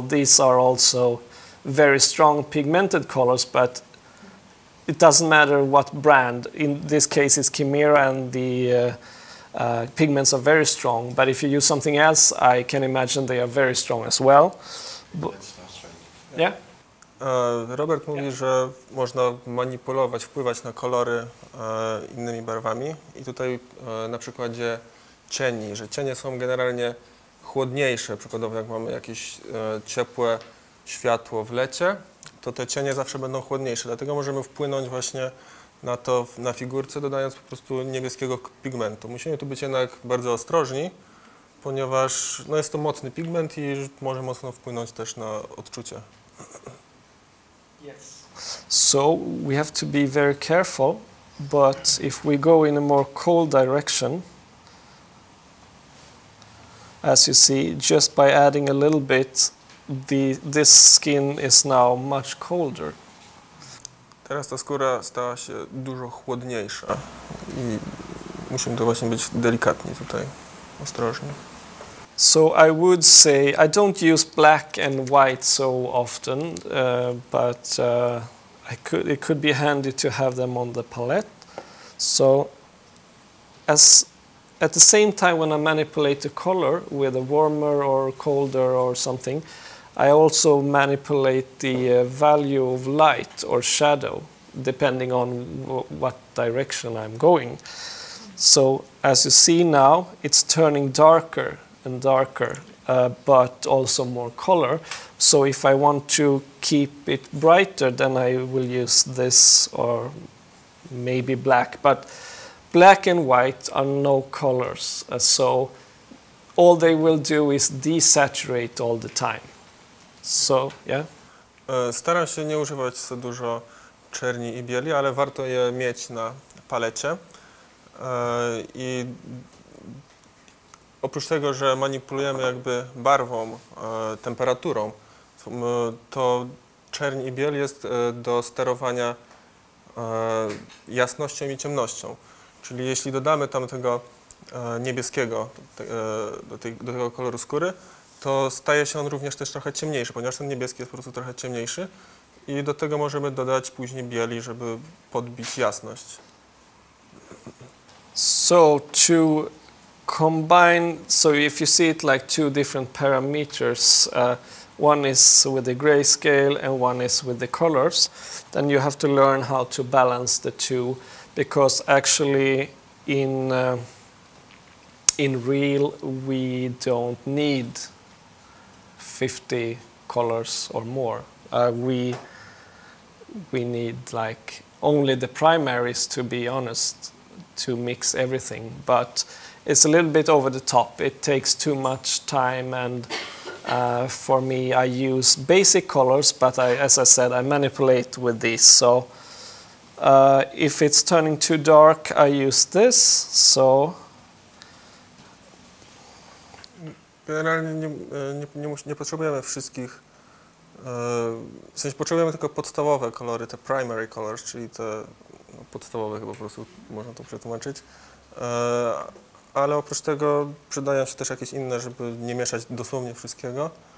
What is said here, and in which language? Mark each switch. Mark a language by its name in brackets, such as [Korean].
[English] These are also very strong pigmented colors, but it doesn't matter what brand. In this case, it's Chimera, and the pigments are very strong. But if you use something else, I can imagine they are very strong as well. [Polish] Robert mówi, że można manipulować, wpływać na kolory innymi barwami. I tutaj na przykładzie cieni, że cienie są generalnie chłodniejsze. Przykładowo, jak mamy jakieś ciepłe światło w lecie, to te cienie zawsze będą chłodniejsze. Dlatego możemy wpłynąć właśnie na to na figurce, dodając po prostu niebieskiego pigmentu. Musimy tu być jednak bardzo ostrożni, ponieważ no, jest to mocny pigment i może mocno wpłynąć też na odczucie. [English] So we have to be very careful, but if we go in a more cold direction, as you see, just by adding a little bit, this skin is now much colder. [Polish] Teraz ta skóra stała się dużo chłodniejsza i musimy to właśnie być delikatni tutaj, ostrożni. [English] So I would say, I don't use black and white so often, but it could be handy to have them on the palette. So at the same time when I manipulate the color with a warmer or colder or something, I also manipulate the value of light or shadow, depending on what direction I'm going. So as you see now, it's turning darker and darker, but also more color. So if I want to keep it brighter, then I will use this or maybe black. But black and white are no colors. So all they will do is desaturate all the time. So, yeah? [Polish] Staram się nie używać za dużo czerni i bieli, ale warto je mieć na palecie. I oprócz tego, że manipulujemy jakby barwą, temperaturą, to czerń i biel jest do sterowania jasnością i ciemnością. Czyli jeśli dodamy tam tego niebieskiego do tego koloru skóry, to staje się on również też trochę ciemniejszy, ponieważ ten niebieski jest po prostu trochę ciemniejszy. I do tego możemy dodać później bieli, żeby podbić jasność. [English] So to combine, so if you see it like two different parameters, one is with the grayscale and one is with the colors, then you have to learn how to balance the two, because actually in real we don't need 50 colors or more. We need like only the primaries, to be honest, to mix everything, but it's a little bit over the top. It takes too much time, and for me, I use basic colors, but I, as I said, I manipulate with these. So If it's turning too dark, I use this, so... [Polish] Generalnie nie potrzebujemy wszystkich... w sensie potrzebujemy tylko podstawowe kolory, te [English] primary colors, [Polish] czyli te podstawowe chyba po prostu można to przetłumaczyć. Ale oprócz tego przydają się też jakieś inne, żeby nie mieszać dosłownie wszystkiego.